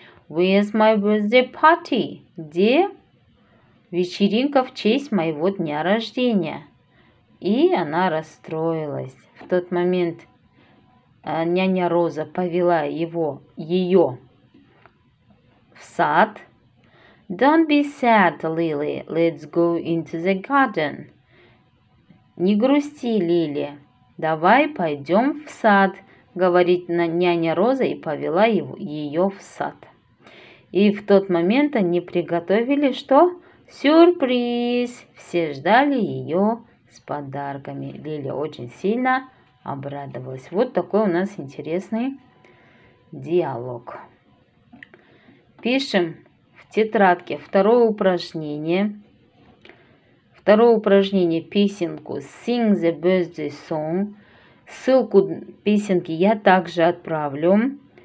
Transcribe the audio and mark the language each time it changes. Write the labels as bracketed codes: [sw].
[en] Where's my birthday party? [ru] Где вечеринка в честь моего дня рождения? И она расстроилась в тот момент. Няня Роза повела ее в сад. [en] Don't be sad, Lily. Let's go into the garden. [ru] Не грусти, Лили. Давай пойдем в сад, говорит няня Роза и повела ее в сад. И в тот момент они приготовили что? Сюрприз! Все ждали ее с подарками. Лили очень сильно обрадовалась. Вот такой у нас интересный диалог. Пишем в тетрадке второе упражнение. Второе упражнение песенку Sing the Birthday Song. Ссылку песенки я также отправлю.